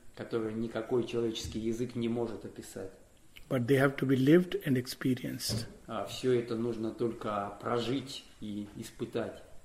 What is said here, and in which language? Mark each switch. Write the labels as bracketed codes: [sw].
[ru] Который никакой человеческий язык не может описать. [en] but they have to be lived and experienced. [ru] Все это нужно только прожить и испытать.